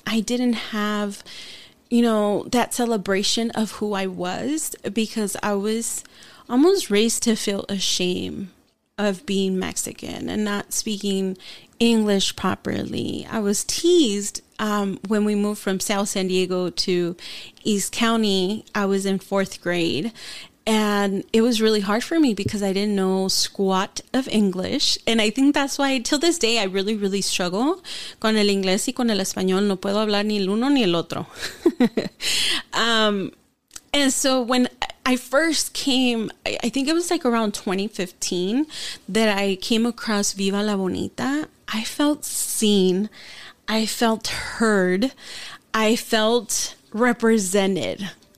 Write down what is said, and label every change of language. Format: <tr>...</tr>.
<en>I didn't have, you know, that celebration of who I was because I was almost raised to feel ashamed of being Mexican and not speaking English properly. I was teased when we moved from South San Diego to East County. I was in fourth grade. And it was really hard for me because I didn't know squat of English. And I think that's why, till this day, I really, really struggle</en> <es>con el inglés y con el español. No puedo hablar ni el uno ni el otro.</es> <en>And so when I first came, I think it was like around 2015 that I came across Viva La Bonita, I felt seen. I felt heard. I felt represented.</en>